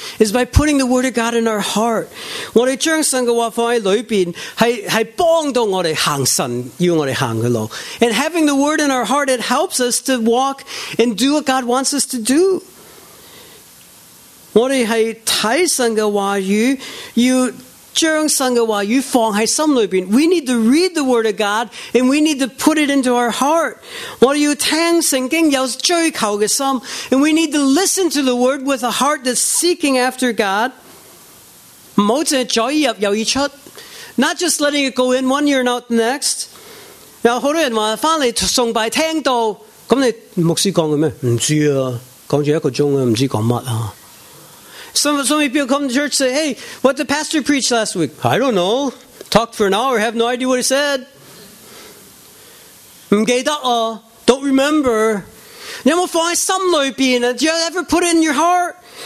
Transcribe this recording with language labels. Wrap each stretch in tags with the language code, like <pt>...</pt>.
<en>It's by putting the word of God in our heart.</en> <zh>我们将神的话放在里面是帮助我们行神要我们行的路.</zh> <en>And having the word in our heart, it helps us to walk and do what God wants us to do.</en> <zh>我们是看神的话语，要将神的话语放在心里边.</zh> <en>We need to read the word of God, and we need to put it into our heart.</en> <zh>我们要听圣经有追求的心,</zh> <en>and we need to listen to the word with a heart that's seeking after God.</en> <zh>不要只是嘴入又一出,</zh> <en>not just letting it go in one ear and out the next.</en> <zh>有很多人说回来崇拜听到, 那你牧师讲的吗? 不知道, 讲了一个钟, 不知道讲什么.</zh> <en>Some people come to church and say, hey, what did the pastor preach last week? I don't know. Talked for an hour, have no idea what he said.</en> <zh>不记得啊,</zh> <en>don't remember.</en> <zh>有没有放在心里边?</zh> <en>Do you ever put it in your heart?</en>